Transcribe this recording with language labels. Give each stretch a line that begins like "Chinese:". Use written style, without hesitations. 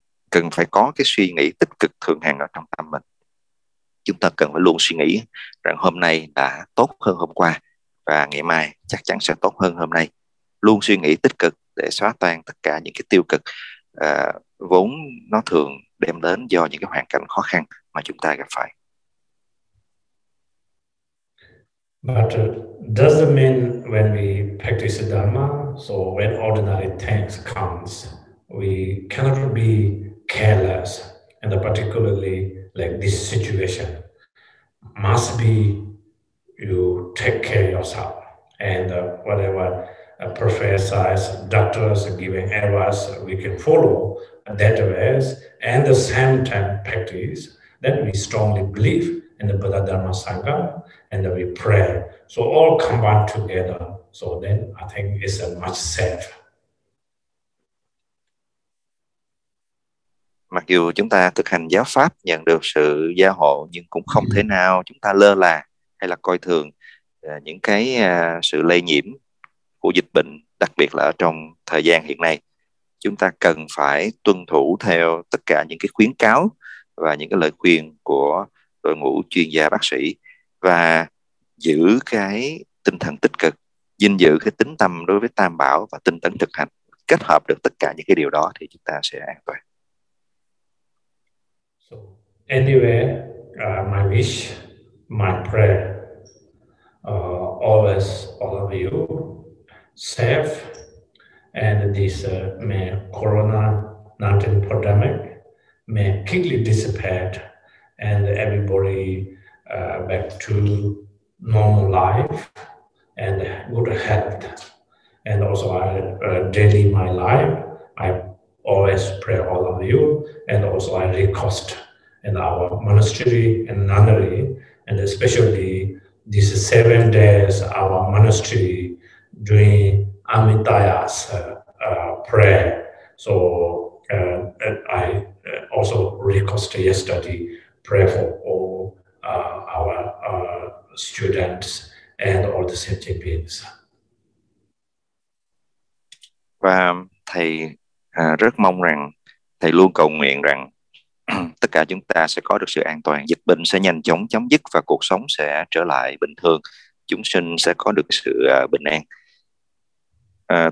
Vietnamese: Cần phải có cái suy nghĩ tích cực thường hằng ở trong tâm mình. Chúng ta cần phải luôn suy nghĩ rằng hôm nay đã tốt hơn hôm qua và ngày mai chắc chắn sẽ tốt hơn hôm nay. Luôn suy nghĩ tích cực để xóa tan tất cả những cái tiêu cực vốn nó thường đem đến do những cái hoàn cảnh khó khăn mà chúng ta gặp phải.
English: But doesn't mean when we practice Dharma, so when ordinary things comes, we cannot be careless, and particularly like this situation, must be you take care of yourself and whatever. A professors, doctors giving advice, we can follow that way, and the same time practice that we strongly believe in the Buddha Dharma Sangha, and that we pray. So all combined together, so then I think it's a much safe.
Vietnamese: Mặc dù chúng ta thực hành giáo pháp, nhận được sự gia hộ, nhưng cũng không thể nào chúng ta lơ là hay là coi thường những cái sự lây nhiễm của dịch bệnh, đặc biệt là ở trong thời gian hiện nay. Chúng ta cần phải tuân thủ theo tất cả những cái khuyến cáo và những cái lời khuyên của đội ngũ chuyên gia bác sĩ, và giữ cái tinh thần tích cực, gìn giữ cái tính tâm đối với tam bảo và tinh tấn thực hành. Kết hợp được tất cả những cái điều đó thì chúng ta sẽ an toàn.
English: So, anyway, my wish, my prayer, always all of you safe, and this may Corona 19 pandemic may quickly disappear, and everybody back to normal life and good health. And also, I daily my life, I always pray all of you, and also I request in our monastery and nunnery, and especially these 7 days our monastery doing Amitaya's prayer. So I also request yesterday prayer for all our students and all the sentient beings.
Vietnamese: Và thầy rất mong rằng, thầy luôn cầu nguyện rằng tất cả chúng ta sẽ có được sự an toàn, dịch bệnh sẽ nhanh chóng chấm dứt và cuộc sống sẽ trở lại bình thường, chúng sinh sẽ có được sự bình an.